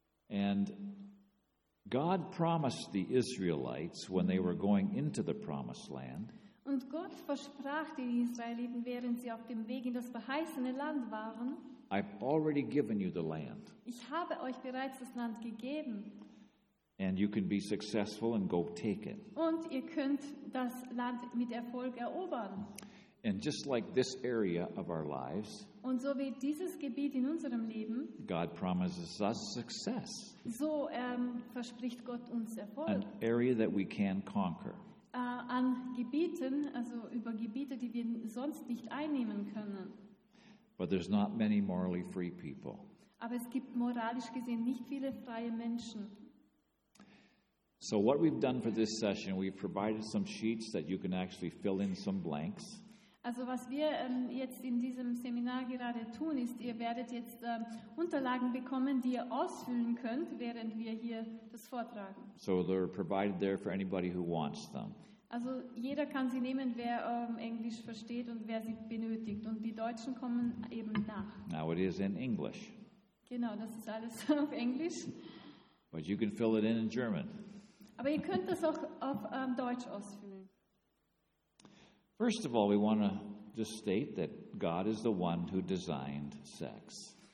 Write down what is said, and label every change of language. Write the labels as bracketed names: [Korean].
[English] And God promised the Israelites when they were going into the promised land. [German] Und Gott versprach den Israeliten, während sie auf dem Weg in das verheißene Land waren. [English] I've already given you the land. [German] Ich habe euch bereits das Land gegeben. [English] And you can be successful and go take it. [German] Und ihr könnt das Land mit Erfolg erobern. [English] And just like this area of our lives. [German] Und so wie dieses Gebiet in unserem Leben. [English] God promises us success. [German] So verspricht Gott uns Erfolg. [English] An area that we can conquer. [German] An Gebieten, also über Gebiete, die wir sonst nicht einnehmen können. [English] But there's not many morally free people. [German] Aber es gibt moralisch gesehen nicht viele freie Menschen. [English] So what we've done for this session, we've provided some sheets that you can actually fill in some blanks. [German] Also was wir jetzt in diesem Seminar gerade tun, ist, ihr werdet jetzt Unterlagen bekommen, die ihr ausfüllen könnt, während wir hier das vortragen. [English] So they're provided there for anybody who wants them. [German] Also jeder kann sie nehmen, wer Englisch versteht und wer sie benötigt. Und die Deutschen kommen eben nach. [English] Now it is in English. [German] Genau, das ist alles auf Englisch. [English] But you can fill it in German. [German] Aber ihr könnt das auch auf Deutsch ausfüllen. [English] First of all, we want to just state that God is the one who designed sex.